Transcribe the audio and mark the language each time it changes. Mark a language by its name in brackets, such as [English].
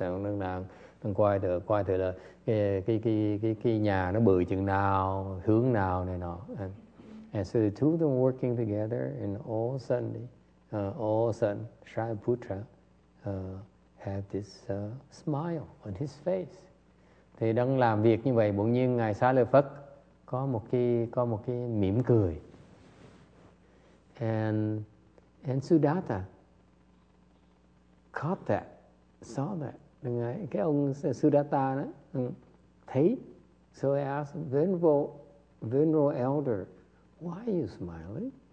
[Vietnamese] Đang đang quay thử là cái nhà nó bự chừng nào, hướng nào này nọ. [English] And so the two of them working together, and all of a sudden, Shariputra had this smile on his face. [Vietnamese] Thì đang làm việc như vậy, bỗng nhiên ngài Xá Lợi Phất có một cái mỉm cười. [English] And Sudatta caught that, saw that. [Vietnamese] Ngài cái ông Sudatta đó thấy. [English] So he asked venerable elder, why are you smiling?